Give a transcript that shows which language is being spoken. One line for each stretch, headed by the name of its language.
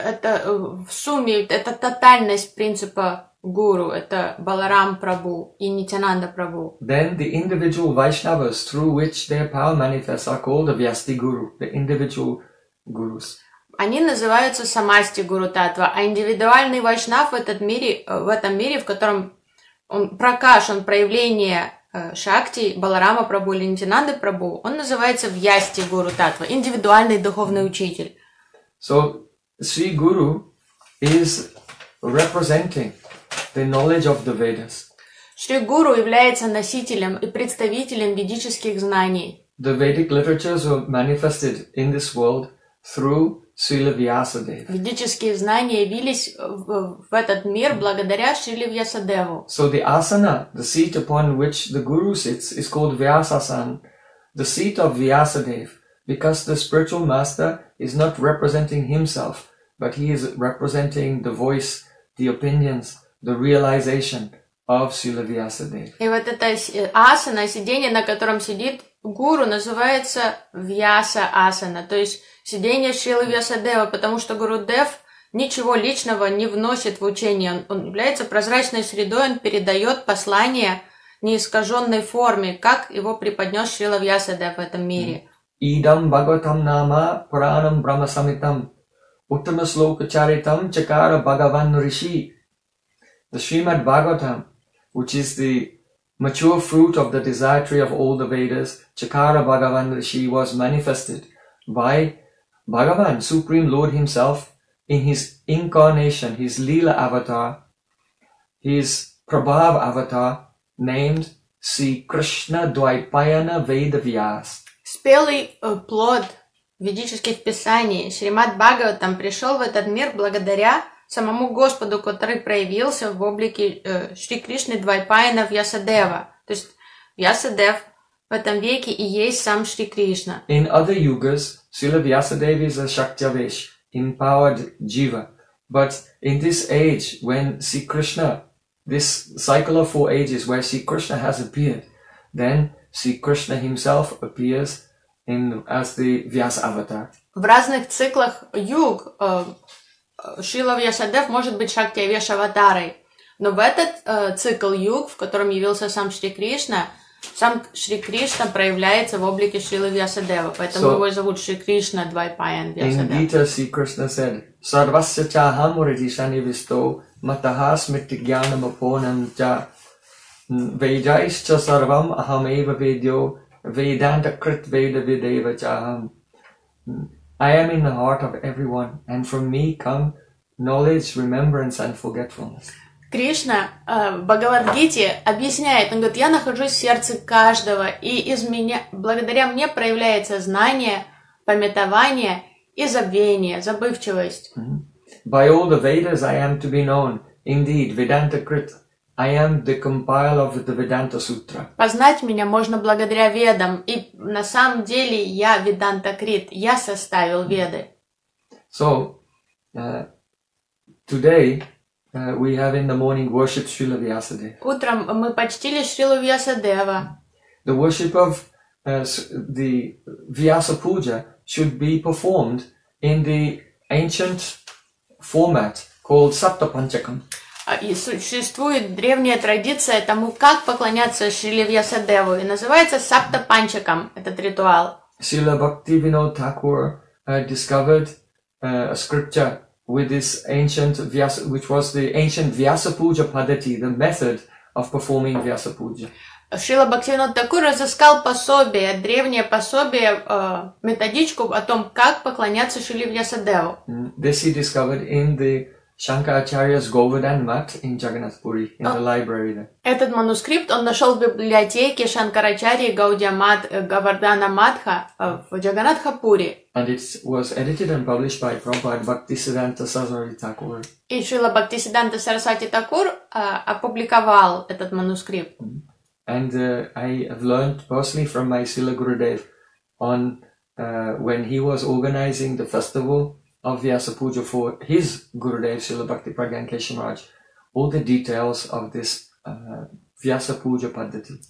Russian: Это в сумме, это тотальность принципа Guru, это Balaram Prabhu и Nityananda Prabhu.
English: Then the individual Vaishnavas through which their power manifests are called the Vyasti Guru, the individual Gurus.
Russian: Они называются Samasti Guru Tattva, а индивидуальный Вайшнав в этом мире, в котором он прокашен проявление Шакти, Баларама Прабху или Нитянанды Прабху, он называется Вьясти Гуру Таттва, индивидуальный духовный учитель.
English: So, Sri Guru is representing the knowledge of the Vedas.
Russian: Шри Гуру является носителем и представителем ведических знаний.
English: The Vedic literatures were manifested in this world through Srila Vyasadeva.
Russian: Ведические знания явились в этот мир благодаря Шриле Вьясадеву.
English: So the asana, the seat upon which the Guru sits, is called Vyasasan, the seat of Vyasadeva, because the spiritual master is not representing himself, but he is representing the voice, the opinions, the realization of Srila Vyasadeva.
Russian: И вот это асана, сидение, на котором сидит гуру, называется Вьяса Асана, то есть сидение Шрилы Вьясадева, потому что Гурудев ничего личного не вносит в учение. Он является прозрачной средой, он передает послание в неискаженной форме, как его преподнес Шрила Вьясадев в этом мире.
Sanskrit: Идам Бхагаватам Нама Пуранам Брахмасамхитам Уттама Слока Чаритам Чакара Бхагаван Риши.
English: The Srimad Bhagavatam, which is the mature fruit of the desire tree of all the Vedas, Chakara Bhagavan Rishi, was manifested by Bhagavan, Supreme Lord himself, in his incarnation, his Leela avatar, his Prabhav avatar, named
Russian: Си Кришна Двайпаяна Вейдавьяс. Спелый плод ведических писаний Шримад Бхагаватам пришел в этот мир благодаря самому Господу, который проявился в облике Шри Кришны Двайпаяна Вьясадева. То есть Вьясадев в этом веке и есть сам Шри Кришна.
English: In other yugas, Srila Vyasadeva is a Shaktyavesh, empowered Jiva. But in this age, when Sri Krishna, this cycle of four ages where Sri Krishna has appeared, then Sri Krishna himself appears in as the Vyasa avatar.
Russian: В разных циклах юг Шрила Вьясадев может быть Шактиавеш аватарой. Но в этот цикл юг, в котором явился сам Шри Кришна, сам Шри Кришна проявляется в облике Шрилы Вьясадева, поэтому его зовут Шри Кришна Двайпаян
Sanskrit: Вьясадева.
English: In Gita, Sri Krishna said,
Sanskrit: Sarvasya chaham uridishani visto, mataha smitti gyanam aponam cha, vejaischa sarvam aham eva vedyo, vedanta krit veda videva chaham.
English: I am in the heart of everyone, and from me come knowledge, remembrance and forgetfulness.
Russian: Кришна в Бхагавад-гите объясняет, он говорит, я нахожусь в сердце каждого, и из меня, благодаря мне проявляется знание, памятование и забвение, забывчивость. Познать меня можно благодаря ведам, и на самом деле я Веданта-крит, я составил веды.
English: So, today... we have in the morning worship Srila Vyasadeva.
Russian: Утром мы почтили Шрилу Вьясадева.
English: The worship of the Vyasa Puja should be performed in the ancient format called Sapta Panchakam.
Russian: И существует древняя традиция тому, как поклоняться Шриле Вьясадеву, и называется Сапта Панчакам этот ритуал.
English: Srila Bhaktivinoda Thakur discovered a scripture with this ancient Vyasa, which was the ancient Vyasa Puja Padati, the method of performing Vyasa Puja.
Russian: Шрила Бхактивинода Такур разыскал пособие, древнее пособие, методичку о том, как поклоняться Шриле Вьясадеву.
English: This he discovered in the Shankaracharya's Govardhan Math in Jagannath Puri, in the library there.
Russian: Этот манускрипт он нашел в библиотеке Шанкарачарьи Гаудия Мат, Говардхана Матха в Джаганатхапури.
English: And it was edited and published by Prabhupada Bhaktisiddhanta Sarasvati Thakur.
Russian: И Шрила Бхактисиддханта Сарасвати Такур опубликовал этот манускрипт.
English: And I have learned personally from my Srila Gurudev on when he was organizing the festival of Vyasa Puja for his Gurudev, Srila Bhakti Pragyan Keshimaraj, all the details of this Vyasa Puja Paddhati.